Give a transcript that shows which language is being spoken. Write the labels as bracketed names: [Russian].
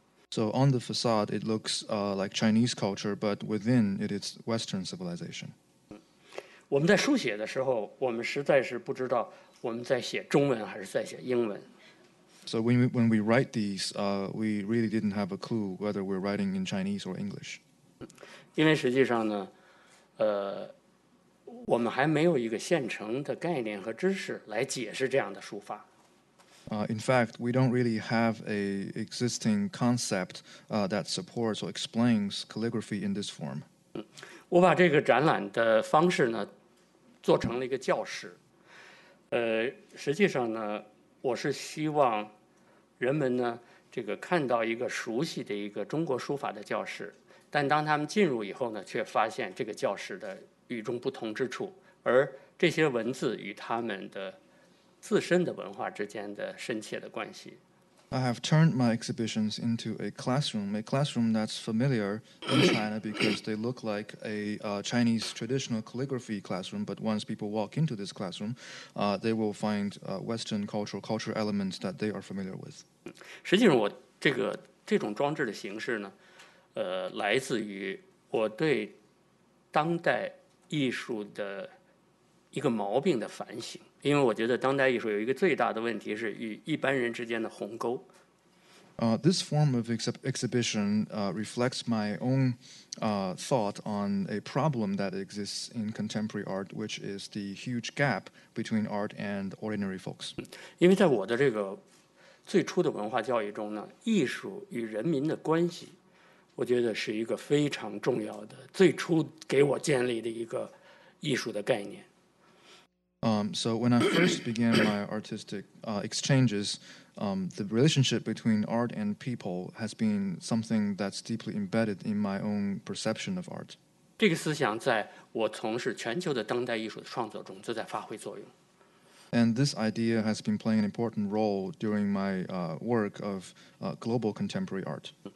[English] So on the facade, it looks like Chinese culture, but within it is Western civilization. [Chinese] 我们在书写的时候，我们实在是不知道我们在写中文还是在写英文。 [English] So when we write these, we really didn't have a clue whether we're writing in Chinese or English. [Chinese] 因为实际上呢，我们还没有一个现成的概念和知识来解释这样的书法。 [English] In fact, we don't really have an existing concept that supports or explains calligraphy in this form. [Chinese] 我把这个展览的方式呢，做成了一个教室。实际上呢，我是希望人们呢，这个看到一个熟悉的一个中国书法的教室，但当他们进入以后呢，却发现这个教室的与众不同之处，而这些文字与他们的自身的文化之间的深切的关系。 [English] I have turned my exhibitions into a classroom that's familiar in China because they look like a Chinese traditional calligraphy classroom. But once people walk into this classroom, they will find Western cultural elements that they are familiar with. [Chinese] 实际上，我这种装置的形式呢，来自于我对当代艺术的一个毛病的反省。因为我觉得当代艺术有一个最大的问题是与一般人之间的鸿沟。 [English] This form of exhibition reflects my own thought on a problem that exists in contemporary art, which is the huge gap between art and ordinary folks. [Chinese] 因为在我的这个最初的文化教育中呢，艺术与人民的关系，我觉得是一个非常重要的，最初给我建立的一个艺术的概念。 [English] So when I first began my artistic exchanges, the relationship between art and people has been something that's deeply embedded in my own perception of art. [Chinese] 这个思想在我从事全球的当代艺术的创作中就在发挥作用。 [English] And this idea has been playing an important role during my work of global contemporary art.